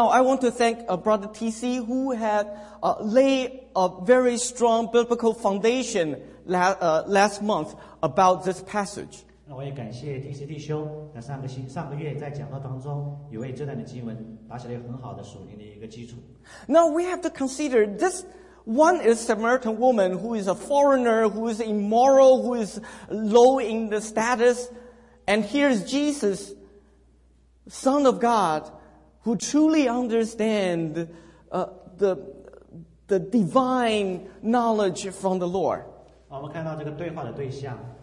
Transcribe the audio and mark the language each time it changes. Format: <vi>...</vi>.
<en>Now I want to thank Brother TC who had laid a very strong biblical foundation last month about this passage.</en> <zh>那我也感谢弟兄，那上个月在讲道当中，有为这段的经文打起了很好的属灵的一个基础。</zh> <en>Now we have to consider this one is Samaritan woman who is a foreigner, who is immoral, who is low in the status, and here is Jesus, Son of God, who truly understands the divine knowledge from the Lord.</en> <zh>我们看到这个对话的对象。</zh>